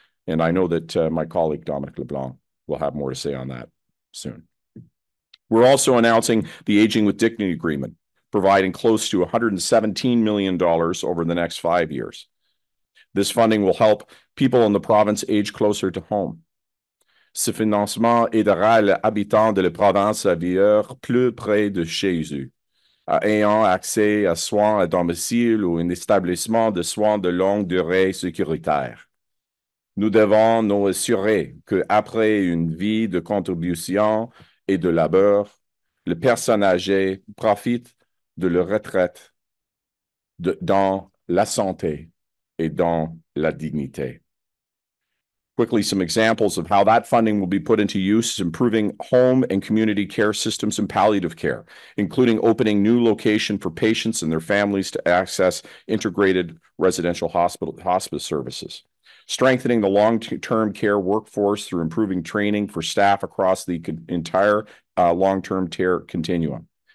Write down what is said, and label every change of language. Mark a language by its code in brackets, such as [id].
[en] And I know that my colleague, Dominic LeBlanc, we'll have more to say on that soon. We're also announcing the Aging with Dignity Agreement, providing close to $117 million over the next 5 years. This funding will help people in the province age closer to home. [fr] Ce financement aidera les habitants de la province à vivre plus près de chez eux, ayant accès à soins à domicile ou un établissement de soins de longue durée sécuritaire. Nous devons nous assurer qu'après une vie de contribution et de labeur, les personnes âgées profitent de leur retraite dans la santé et dans la dignité. [en] Quickly, some examples of how that funding will be put into use is improving home and community care systems and palliative care, including opening new location for patients and their families to access integrated residential hospice services. Strengthening the long-term care workforce through improving training for staff across the entire long-term care continuum.